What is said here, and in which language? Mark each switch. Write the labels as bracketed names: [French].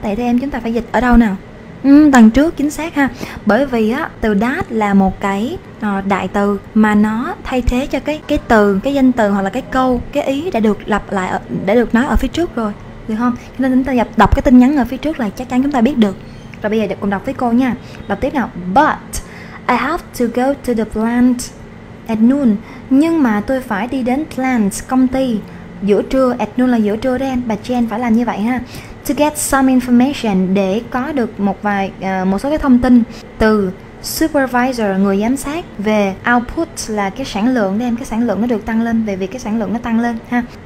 [Vietnamese] Tại thế em chúng ta phải dịch ở đâu nào? Đằng trước chính xác ha. Bởi vì á, từ that là một cái đại từ mà nó thay thế cho cái từ, cái danh từ hoặc là cái câu, cái ý đã được lặp lại ở, đã được nói ở phía trước rồi, được không? Cho nên chúng ta đọc cái tin nhắn ở phía trước là chắc chắn chúng ta biết được. Rồi bây giờ cùng đọc với cô nha. Đọc tiếp nào. [English] But I have to go to the plant at noon. [Vietnamese] Nhưng mà tôi phải đi đến plant, công ty, giữa trưa. [English] At noon [Vietnamese] là giữa trưa đó em. Bà Jen phải làm như vậy ha. [English] To get some information, [Vietnamese] để có được một vài một số cái thông tin từ supervisor, người giám sát, về output là cái sản lượng đó em, cái sản lượng nó được tăng lên, về việc cái sản lượng nó tăng lên ha.